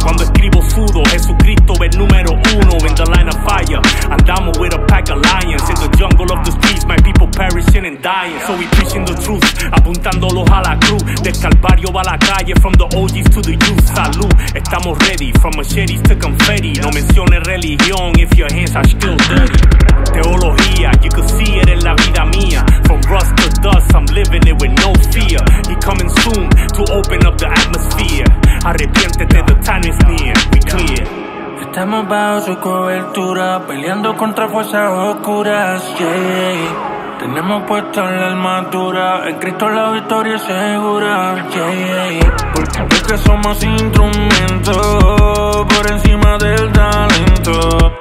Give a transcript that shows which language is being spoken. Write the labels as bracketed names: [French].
[Spanish] Cuando escribo sudo, Jesucristo es número uno. [English] In the line of fire, [Spanish] andamos [English] with a pack of lions. In the jungle of the streets, my people perishing and dying. So we preaching the truth, [Spanish] apuntándolos a la cruz. Del Calvario va la calle, [English] from the OGs to the youth. [Spanish] Salud, estamos [English] ready, from machetes to confetti. [Spanish] No menciones religión, [English] if your hands are still dirty. [Spanish] Teología, [English] you can see it [Spanish] en la vida mía. [English] From rust to dust, I'm living it with no fear. He coming soon to open up the atmosphere. [Spanish] Arrepiéntete, [English] the time is near, we clear. [Spanish] Estamos bajo su cobertura, peleando contra fuerzas oscuras, yeah. Tenemos puesta la armadura, en Cristo la victoria es segura, yeah. Porque somos instrumentos, por encima del talento.